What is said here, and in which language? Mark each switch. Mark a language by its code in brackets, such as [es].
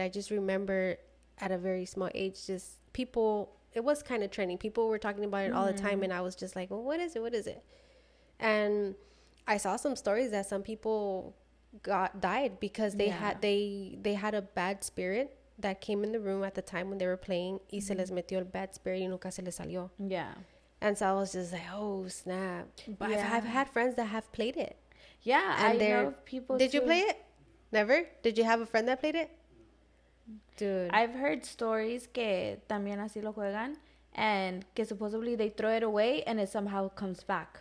[en] I just remember at a very small age, just people, it was kind of trending. People were talking about it all the time. And I was just like, well, what is it? What is it? And I saw some stories that some people died because they had, they had a bad spirit that came in the room at the time when they were playing. [es] Y se les metió el [en] bad spirit [es] y nunca se les salió. [en] Yeah. And so I was just like, oh, snap. But I've had friends that have played it. Yeah. And I know people. Did you play it? Never? Did you have a friend that played it? Dude. I've heard stories [es] que también así lo juegan [en] and que supposedly they throw it away and it somehow comes back.